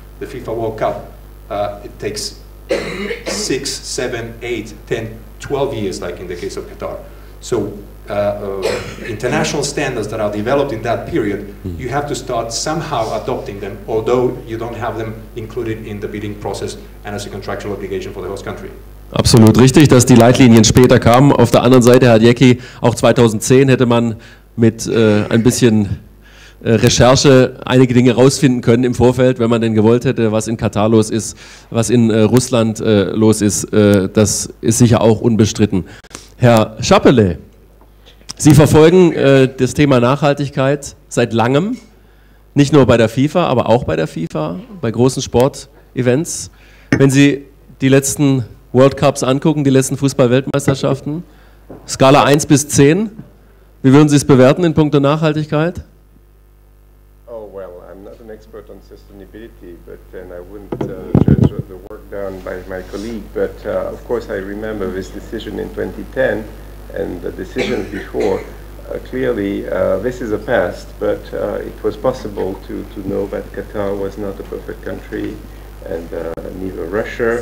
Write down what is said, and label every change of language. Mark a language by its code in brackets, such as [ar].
[en] The FIFA World Cup, it takes 6, 7, 8, 10, 12 years, like in the case of Qatar. So international standards that are developed in that period, you have to start somehow adopting them, although you don't have them included in the bidding process and as a contractual obligation for the host country. [de] Absolut richtig, dass die Leitlinien später kamen. Auf der anderen Seite, Herr Jecki, auch 2010 hätte man mit ein bisschen Recherche einige Dinge rausfinden können im Vorfeld, wenn man denn gewollt hätte, was in Katar los ist, was in Russland los ist. Das ist sicher auch unbestritten. Herr Schappele, Sie verfolgen das Thema Nachhaltigkeit seit langem, nicht nur bei der FIFA, aber auch bei der FIFA, bei großen Sportevents. Wenn Sie die letzten World Cups angucken, die letzten Fußball-Weltmeisterschaften, Skala 1 bis 10, wie würden Sie es bewerten in puncto Nachhaltigkeit? [en] Oh, well, I'm not an expert on sustainability, but then I wouldn't judge the work done by my colleague, but of course I remember this decision in 2010, and the decisions before, clearly this is a past, but it was possible to know that Qatar was not a perfect country, and neither Russia.